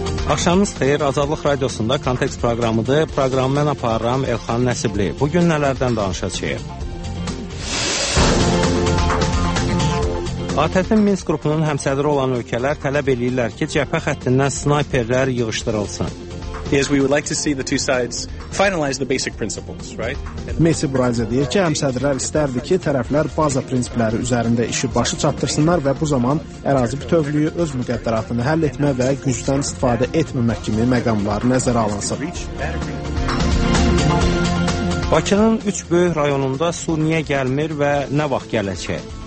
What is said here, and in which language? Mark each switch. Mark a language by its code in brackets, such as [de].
[az] Axşamınız xeyir, Azadlıq Radiosunda Kontekst proqramıdır. Proqramı mən aparıram, Elxan Nəsibli. Bugün nələrdən danışacağıq? ATƏT-in Minsk qrupunun həmsədri olan ölkələr tələb eləyirlər ki, cəbhə xəttindən snayperlər yığışdırılsın. [en] Is we would like to see the two sides finalize the basic principles, right? [az] Mesih Brazil deyir ki, həmsədrlər istərdi ki, tərəflər baza prinsipləri üzərində işi başa çatdırsınlar və bu zaman ərazi bütövlüyü, öz müqəddəratını həll etmə və gücdən istifadə etməmək kimi məqamlar nəzərə alınsın. Bakının 3 böyük rayonunda su niyə gəlmir və nə vaxt gələcək?